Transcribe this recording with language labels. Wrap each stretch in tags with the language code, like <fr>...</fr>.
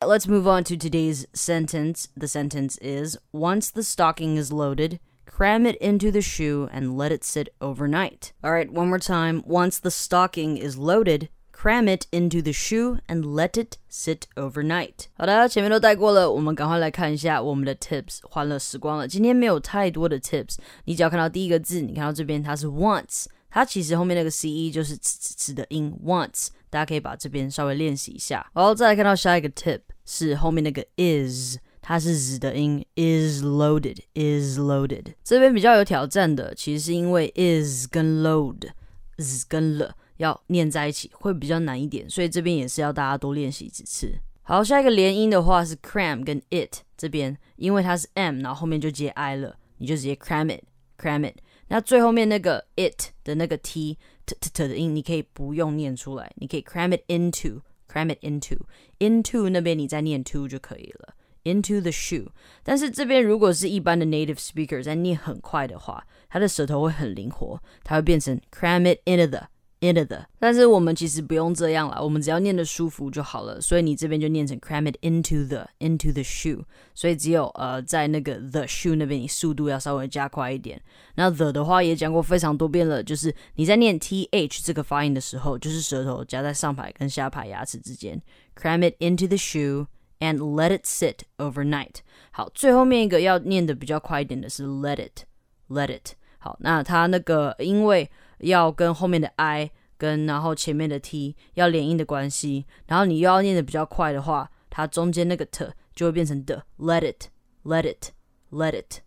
<en>Let's move on to today's sentence. The sentence is, once the stocking is loaded, cram it into the shoe and let it sit overnight. All right, one more time. Once the stocking is loaded, cram it into the shoe and let it sit overnight.</en> <zh>好的，前面都带过了，我们赶快来看一下我们的 tips。欢乐时光了，今天没有太多的 tips。你只要看到第一个字，你看到这边它是 once， 它其实后面那个 ce 就是嘶嘶嘶的音 once。大家可以把这边稍微练习一下。好，再来看到下一个 tip 是后面那个 is。它是z的音</zh> <en>is loaded, is loaded.</en> <zh>这边比较有挑战的其实是因为 is 跟 load, z 跟 l 要念在一起会比较难一点，所以这边也是要大家多练习几次。好，下一个连音的话是 cram 跟 it, 这边因为它是 m, 然后后面就接 i 了，你就直接</zh> <en>cram it, cram it.</en> <zh>那最后面那个 it 的那个 t, t, t 的音你可以不用念出来，你可以</zh> <en>cram it into, cram it into.</en> <zh>Into 那边你再念 to 就可以了。</zh> <en>Into the shoe.</en> <zh>但是这边如果是一般的 native speaker 在念很快的话，他的舌头会很灵活，他会变成</zh> <en>cram it into the, into the.</en> <zh>但是我们其实不用这样了，我们只要念得舒服就好了，所以你这边就念成</zh> <en>cram it into the shoe.</en> <zh>所以只有在那个 the shoe 那边你速度要稍微加快一点。那 the 的话也讲过非常多遍了，就是你在念 th 这个发音的时候，就是舌头夹在上排跟下排牙齿之间，</zh> <en>cram it into the shoe. And let it sit overnight.</en> <zh>好，最后面一个要念的比较快一点的是</zh> <en>let it, let it.</en> <zh>好，那它那个因为要跟后面的 i 跟然后前面的 t 要连音的关系，然后你又要念的比较快的话，它中间那个 t 就会变成 the.</zh> <en>Let it, let it, let it.</en>